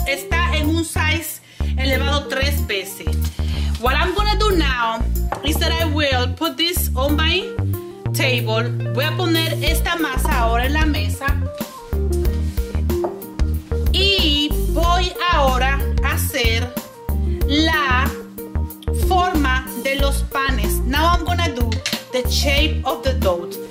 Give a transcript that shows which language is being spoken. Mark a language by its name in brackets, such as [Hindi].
[Spanish] Está en un size elevado 3 veces. [English] What I'm gonna do now is that I will put this on my table. [Spanish] Voy a poner esta masa ahora en la mesa y voy ahora a hacer la forma de los panes. [English] Now I'm gonna do the shape of the dough.